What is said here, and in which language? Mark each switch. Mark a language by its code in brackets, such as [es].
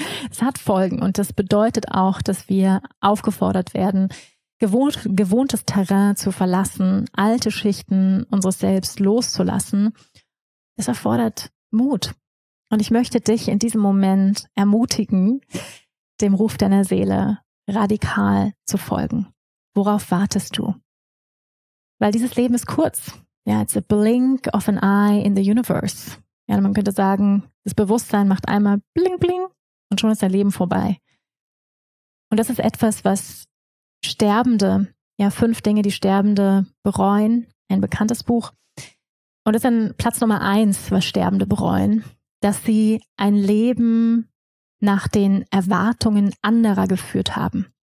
[de] Es hat Folgen und das bedeutet auch, dass wir aufgefordert werden, gewohntes Terrain zu verlassen, alte Schichten unseres Selbst loszulassen. Es erfordert Mut. Und ich möchte dich in diesem Moment ermutigen, dem Ruf deiner Seele radikal zu folgen. Worauf wartest du? Weil dieses Leben ist kurz. [en] Ja, it's a blink of an eye in the universe. [de] Ja, man könnte sagen, das Bewusstsein macht einmal bling, bling und schon ist dein Leben vorbei. Und das ist etwas, was Sterbende, ja, 5 Dinge, die Sterbende bereuen, ein bekanntes Buch. Und das ist dann Platz Nummer 1, was Sterbende bereuen, dass sie ein Leben nach den Erwartungen anderer geführt haben.